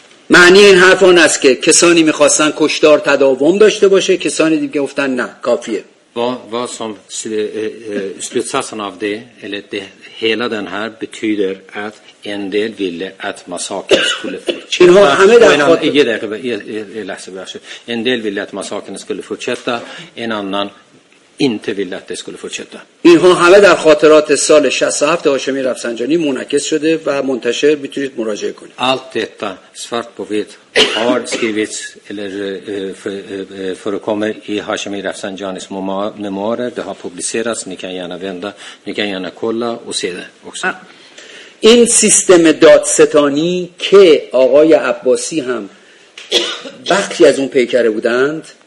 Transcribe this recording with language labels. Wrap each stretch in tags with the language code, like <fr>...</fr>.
<fa>معنی این حرف اون است که کسانی میخواستن کشتار تداوم داشته باشه، کسانی دیگه گفتن نه کافیه.</fa> <sv>Vad som slutsatsen av det eller det hela den här betyder att en del ville att massakern skulle fortsätta. En del ville att massakern skulle fortsätta, en annan inte ville att det skulle fortsätta.</sv> <fa>اینها همه در خاطرات سال 67 هاشمی رفسنجانی منعکس شده و منتشر، میتونید مراجعه کنید.</fa> <sv>Allt detta svart på vitt har skrivits eller förekommer i Hashemi Rafsanjanis memoarer. Det har publicerats. Ni kan gärna vända, ni kan gärna kolla och se det också.</sv> <fa>این سیستم دادستانی که آقای عباسی هم بخشی از اون پیکره بودند.</fa>